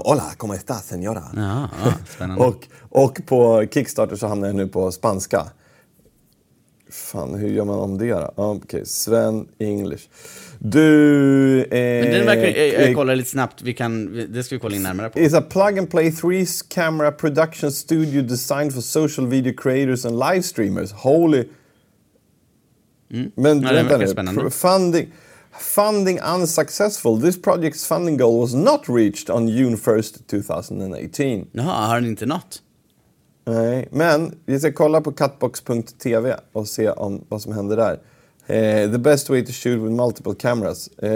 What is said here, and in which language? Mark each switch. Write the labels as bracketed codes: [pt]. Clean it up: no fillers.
[es] Hola, ¿cómo está, señora? [sv] Ja, spännande. och på Kickstarter så hamnar jag nu på spanska. Fan, hur gör man om det då? Okej, Sven, English. Du... Men jag kollar lite snabbt. Det ska vi kolla in närmare på. [en] It's a plug-and-play 3-camera production studio designed for social video creators and live streamers. Holy... [sv] Men nej, det verkar spännande. [en] Funding unsuccessful. This project's funding goal was not reached on June 1st, 2018. [sv] Jaha, har den inte nått? Nej, men vi ska kolla på catbox.tv och se om vad som händer där. [en] The best way to shoot with multiple cameras.